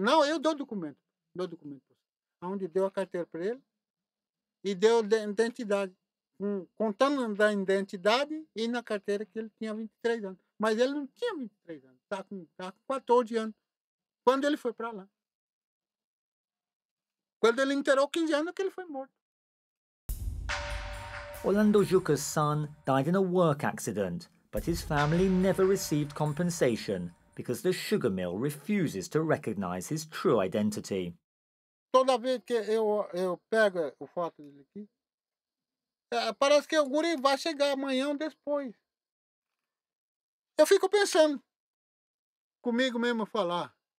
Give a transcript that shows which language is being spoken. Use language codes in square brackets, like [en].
[pt] Não, eu dou documento para você. Aonde deu a carteira para ele e deu identidade, contando da identidade e na carteira que ele tinha 23 anos. Mas ele não tinha 23 anos, tá com 14 anos, quando ele foi para lá. Quando ele enterrou 15 anos, que ele foi morto. [en] Orlando Juca's son died in a work accident, but his family never received compensation because the sugar mill refuses to recognize his true identity. [pt] Toda vez que eu pego o foto dele aqui, parece que o guri vai chegar amanhã ou depois. Eu fico pensando comigo mesmo falar.